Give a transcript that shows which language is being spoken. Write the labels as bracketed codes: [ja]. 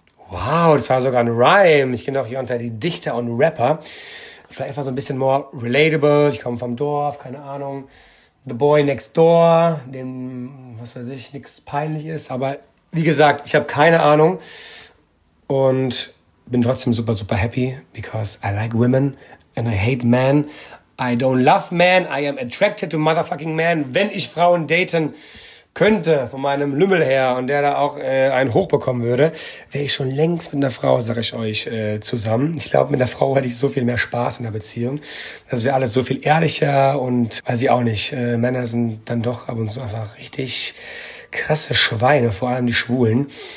[de] Wow, das war sogar ein Rhyme. Ich kenne auch hier unter die Dichter und Rapper. Vielleicht einfach so ein bisschen [en] more relatable. [de] Ich komme vom Dorf, keine Ahnung. [en] The boy next door, [de] dem, was weiß ich, nichts peinlich ist. Aber wie gesagt, ich habe keine Ahnung. Und bin trotzdem super, super [en] happy, because I like women and I hate men. I don't love men, I am attracted to motherfucking men. [de] Wenn ich Frauen daten könnte, von meinem Lümmel her, und der da auch einen hochbekommen würde, wäre ich schon längst mit einer Frau, sag ich euch, zusammen. Ich glaube, mit einer Frau hätte ich so viel mehr Spaß in der Beziehung. Das wäre alles so viel ehrlicher und weiß ich auch nicht. Männer sind dann doch ab und zu einfach richtig krasse Schweine, vor allem die Schwulen.